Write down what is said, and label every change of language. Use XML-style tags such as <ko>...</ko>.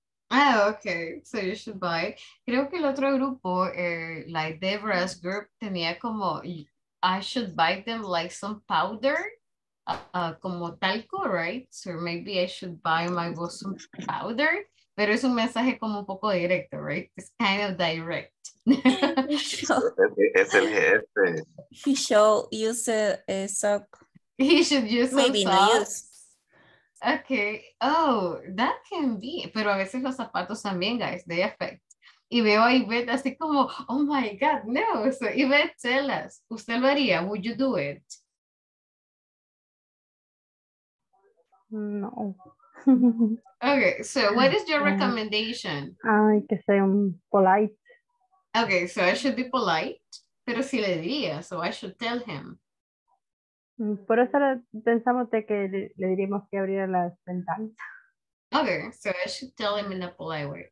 <en>Ah, okay. So you should buy.</en> <es>Creo que el otro grupo,</es> <en>like Deborah's group,</en> <es>tenía como</es> <en>I should buy them like some powder,</en> <es>como talco,</es> <en>right? So maybe I should buy my boss some powder.</en> <es>Pero es un mensaje como un poco directo, right?</es> <en>It's kind of direct.</en> <es>Es el jefe.</es> <en>He should use a sock. He should use maybe some socks. No. Okay, oh, that can be,</en> <es>pero a veces los zapatos también,</es> <en>guys, they affect.</en> <es>Y veo a Yvette así como,</es> <en>oh my God,</en> <es>no.</es> <en>So Yvette, tell us,</en> <es>¿usted lo haría?</es> <en>Would you do it? No. Okay, so what is your recommendation?</en> <es>I que sea polite.</es> <en>Okay, so I should be polite,</en> <es>pero sí le diría,</es> <en>so I should tell him.</en> <es>Por eso pensamos de que le diríamos que abriera las ventanas.</es> <en>Okay, so I should tell him in a polite way.</en>